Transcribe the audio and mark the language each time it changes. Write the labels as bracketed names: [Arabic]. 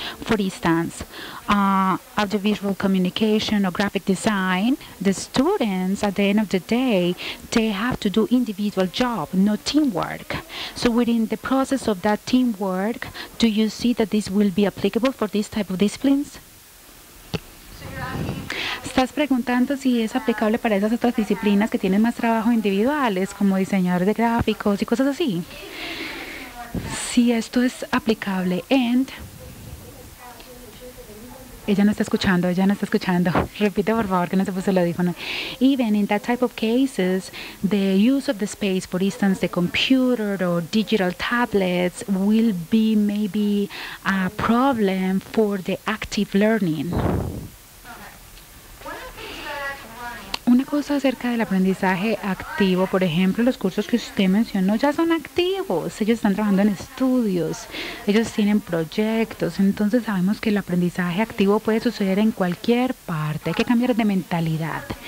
[English] For instance, audiovisual communication or graphic design, the students at the end of the day, they have to do individual job, not teamwork. So within the process of that teamwork, do you see that this will be applicable for this type of disciplines? [Spanish] Estás preguntando si es aplicable para esas otras disciplinas que tienen más trabajo individuales, como diseñadores de gráficos y cosas así. Si esto es aplicable, and ella no está escuchando, ella no está escuchando. Repite por favor que no se puso el audífono. [English] Even in that type of cases, the use of the space, for instance, the computer or digital tablets, will be maybe a problem for the active learning. [Spanish] Una cosa acerca del aprendizaje activo, por ejemplo, los cursos que usted mencionó ya son activos, ellos están trabajando en estudios, ellos tienen proyectos, entonces sabemos que el aprendizaje activo puede suceder en cualquier parte, hay que cambiar de mentalidad.